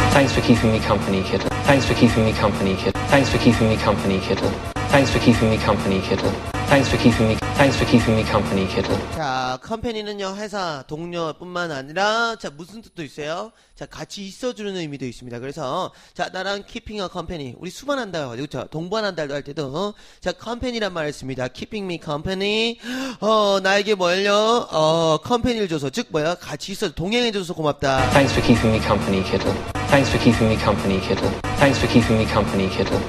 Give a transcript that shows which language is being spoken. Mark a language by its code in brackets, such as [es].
[en] Thanks for keeping me company, Kittle. Thanks for keeping me company, Kittle. Thanks for keeping me company, Kittle. Thanks for keeping me company, Kittle. Thanks for keeping me. Thanks for keeping me company, Kittle. [ko] 자, company는요 회사 동료뿐만 아니라 자 무슨 뜻도 있어요. 자 같이 있어주는 의미도 있습니다. 그래서 자 나랑 [en] keeping a company [ko] 우리 수반한다 그렇죠. 동반한다도 할 때도 자 company란 말을 씁니다. [en] Keeping me company. [ko] 나에게 뭘요? Company를 줘서 즉 뭐야? 같이 있어 동행해줘서 고맙다. [en] Thanks for keeping me company, Kittle. Thanks for keeping me company, Kittle. Thanks for keeping me company, Kittle.